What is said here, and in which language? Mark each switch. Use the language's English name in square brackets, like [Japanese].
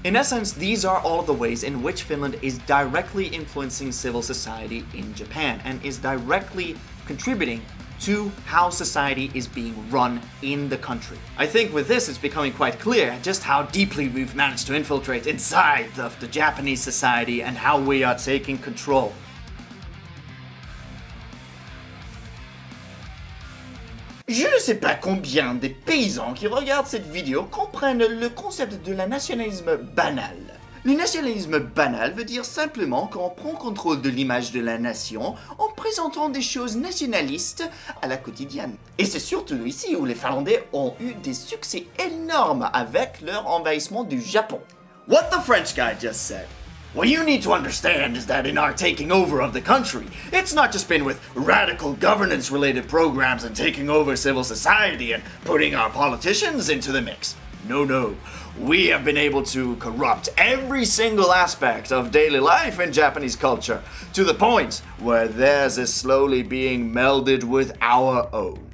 [English] In essence, these are all of the ways in which Finland is directly influencing civil society in Japan and is directly contributing to how society is being run in the country. I think with this, it's becoming quite clear just how deeply we've managed to infiltrate inside of the Japanese society and how we are taking control. [French] Je ne sais pas combien des paysans qui regardent cette vidéo comprennent le concept de la nationalisme banal. Le nationalisme banal veut dire simplement qu'on prend contrôle de l'image de la nation en présentant des choses nationalistes à la quotidienne. Et c'est surtout ici où les Finlandais ont eu des succès énormes avec leur envahissement du Japon. [English] What the French guy just said. What you need to understand is that in our taking over of the country, it's not just been with radical governance-related programs and taking over civil society and putting our politicians into the mix. No, no. We have been able to corrupt every single aspect of daily life in Japanese culture to the point where theirs is slowly being melded with our own.